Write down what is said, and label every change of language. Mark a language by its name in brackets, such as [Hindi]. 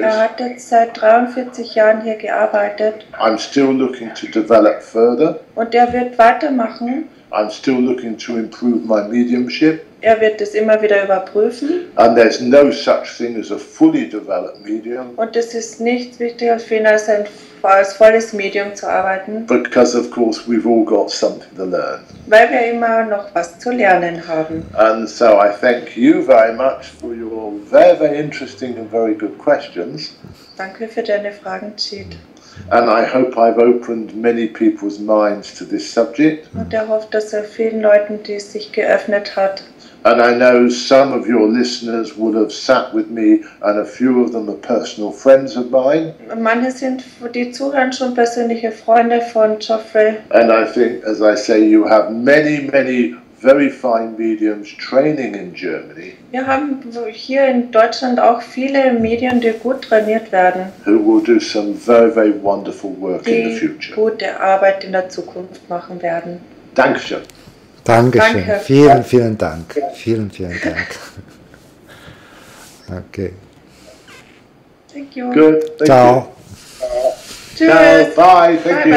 [German] er hat jetzt seit 43 Jahren hier gearbeitet. [English] I'm still looking to develop further. [German] Und er wird weitermachen. [English] I'm still looking to improve my mediumship. [German] Er wird es immer wieder überprüfen. [English] And there's no such thing as a fully developed medium. [German] Und es ist nichts wichtiger für ihn als ein als volles Medium zu arbeiten. [English] Because of course we've all got something to learn. [German] Weil wir immer noch was zu lernen haben. [English] And so I thank you very much for your very, very interesting and very good questions. [German] Danke für deine Fragen, Cheat. [English] And I hope I've opened many people's minds to this subject. [German] Und er hofft, dass er vielen Leuten, die es sich geöffnet hat. [English] And I know some of your listeners would have sat with me, and a few of them are personal friends of mine. [German] Manche sind die Zuhörer schon persönliche Freunde von Geoffrey. [English] And I think, as I say, you have many, many very fine mediums training in Germany. [German] Wir haben hier in Deutschland auch viele Medien, die gut trainiert werden. [English] Who will do some very, very wonderful work in the future. [German] Die gute Arbeit in der Zukunft machen werden. Dankeschön. Dankeschön. Danke. Vielen, vielen Dank. Ja. Vielen, vielen Dank. [English] Okay. Thank you. Good. Thank ciao. You. Ciao. Ciao. Bye. Thank bye, you.